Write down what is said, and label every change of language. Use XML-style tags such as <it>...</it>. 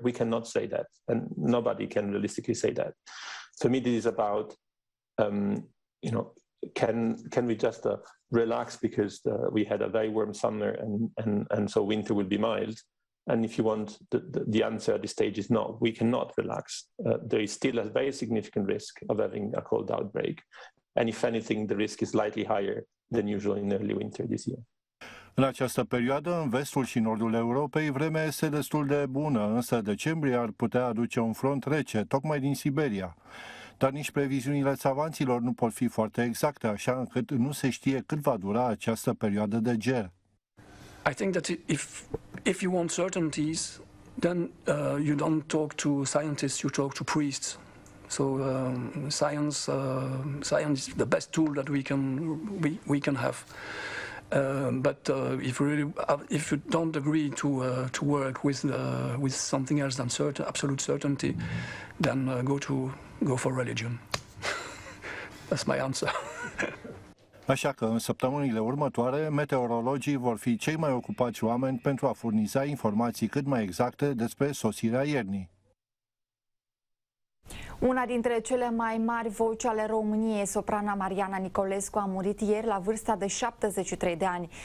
<en>We cannot say that, and nobody can realistically say that. For me, this is about, you know, can we just relax because we had a very warm summer and so winter will be mild. And if you want, the answer at this stage is no. We cannot relax. There is still a very significant risk of having a cold outbreak, and if anything, the risk is slightly higher than usual in early winter this year.</en> <ro>În această perioadă, în vestul și nordul Europei, vremea este destul de bună, însă decembrie ar putea aduce un front rece, tocmai din Siberia. Dar nici previziunile savanților nu pot fi foarte exacte, așa încât nu se știe cât va dura această perioadă de gel.</ro> <en>I think that if you want certainties, then you don't talk to scientists, you talk to priests. So science is the best tool that we can have. But if you don't agree to work with something else than absolute certainty, then go for religion. That's my answer.</en> <ro>Așa că în săptămânile următoare, meteorologii vor fi cei mai ocupați oameni pentru a furniza informații cât mai exacte despre sosirea iernii. Una dintre cele mai mari voci ale României, soprana Mariana Nicolescu, a murit ieri la vârsta de 73 de ani.</ro>